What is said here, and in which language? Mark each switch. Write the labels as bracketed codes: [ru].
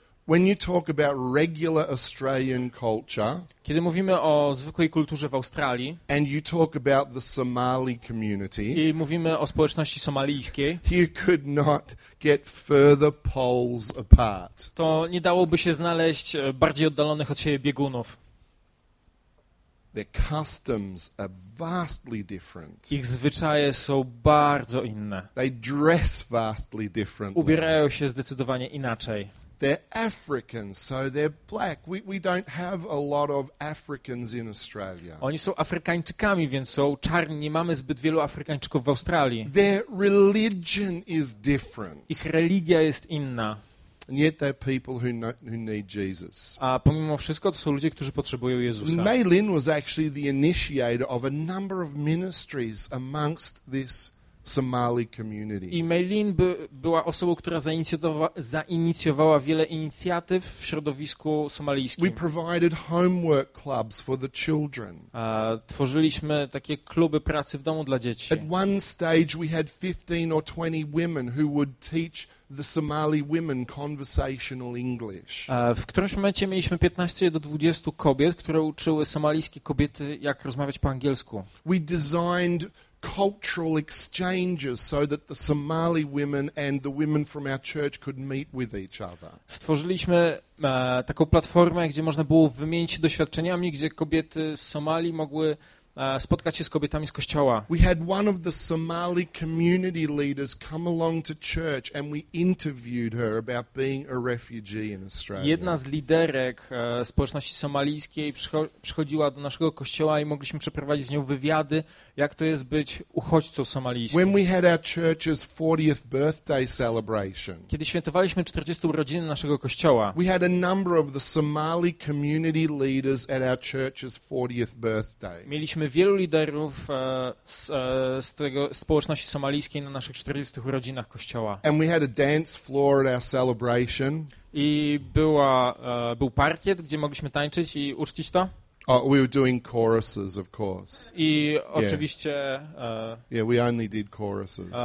[en] When you talk about regular Australian culture, [pl] kiedy mówimy o zwykłej kulturze w Australii, [en] and you talk about the Somali community, [pl] i mówimy o społeczności somalijskiej, [en] you could not get further poles apart. [pl] To nie dałoby się znaleźć bardziej oddalonych od siebie biegunów. [en] Their customs are vastly different. [pl] Ich zwyczaje są bardzo inne. [en] They dress vastly differently. [pl] Ubierają się zdecydowanie inaczej. [en] They're African, so they're black. We don't have a lot of Africans in Australia. [pl] Oni są Afrykańczykami, więc są czarni. Nie mamy zbyt wielu Afrykańczyków w Australii. [en] Their religion is different. [pl] Ich religia jest inna. [en] And yet they're people who need Jesus. [pl] A pomimo wszystko to są ludzie, którzy potrzebują Jezusa. [en] May Lin was actually the initiator of a number of ministries amongst this Somali community. [pl] I Maylin była osobą, która zainicjowała wiele inicjatyw w środowisku somalijskim. [en] We provided homework clubs for the children. [pl] Tworzyliśmy takie kluby pracy w domu dla dzieci. [en] At one stage we had 15 or 20 women who would teach the Somali women conversational English. [pl] W którymś momencie mieliśmy 15 do 20 kobiet, które uczyły somalijskie kobiety, jak rozmawiać po angielsku. [en] We designed cultural exchanges so that the Somali women and the women from our church could meet with each other. [pl] Stworzyliśmy taką platformę, gdzie można było wymienić się doświadczeniami, gdzie kobiety z Somalii mogły spotkać się z kobietami z kościoła. [en] We had one of the Somali community leaders come along to church and we interviewed her about being a refugee in Australia. [pl] Jedna z liderek społeczności somalijskiej przychodziła do naszego kościoła i mogliśmy przeprowadzić z nią wywiady, jak to jest być uchodźcą somalijskim. [en] When we had our church's 40th birthday celebration. [pl] Kiedy świętowaliśmy 40. urodziny naszego kościoła. [en] We had a number of the Somali community leaders at our church's 40th birthday. [pl] Mieliśmy wielu liderów z tego społeczności somalijskiej na naszych 40 urodzinach kościoła. [en] And we had a dance floor at our celebration. [pl] I był parkiet, gdzie mogliśmy tańczyć i uczcić to. [en] Oh, we were doing choruses, of course. [pl] I oczywiście. [en] Yeah, we only did choruses.